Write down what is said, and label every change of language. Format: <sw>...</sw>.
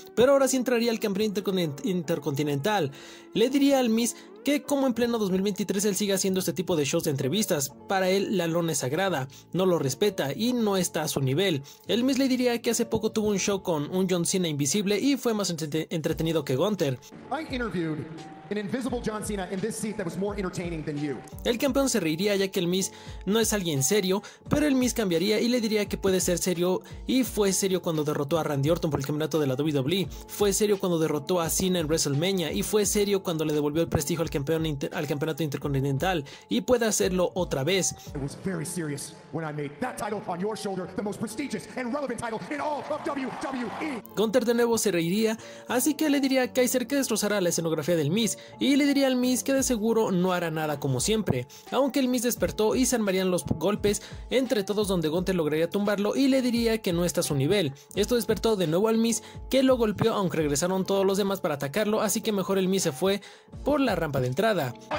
<es>Pero ahora sí entraría el campeón intercontinental. Le diría al Miz que como en pleno 2023 él sigue haciendo este tipo de shows de entrevistas, para él la lona es sagrada, no lo respeta y no está a su nivel. El Miz le diría que hace poco tuvo un show con un John Cena invisible y fue más entretenido que Gunther.</es> <en>An invisible John Cena in this seat that was more entertaining than you.</en> <es>El campeón se reiría ya que el Miz no es alguien serio, pero el Miz cambiaría y le diría que puede ser serio, y fue serio cuando derrotó a Randy Orton por el campeonato de la WWE, fue serio cuando derrotó a Cena en WrestleMania y fue serio cuando le devolvió el prestigio al campeón al campeonato intercontinental, y puede hacerlo otra vez.</es> <en>It was very serious when I made that title on your shoulder the most prestigious and relevant title in all of WWE.</en> <es>Gunther de nuevo se reiría, así que le diría a Kaiser que destrozará la escenografía del Miz, y le diría al Miz que de seguro no hará nada como siempre, aunque el Miz despertó y se armarían los golpes entre todos donde Gunther lograría tumbarlo y le diría que no está a su nivel. Esto despertó de nuevo al Miz, que lo golpeó aunque regresaron todos los demás para atacarlo, así que mejor el Miz se fue por la rampa de entrada.</es>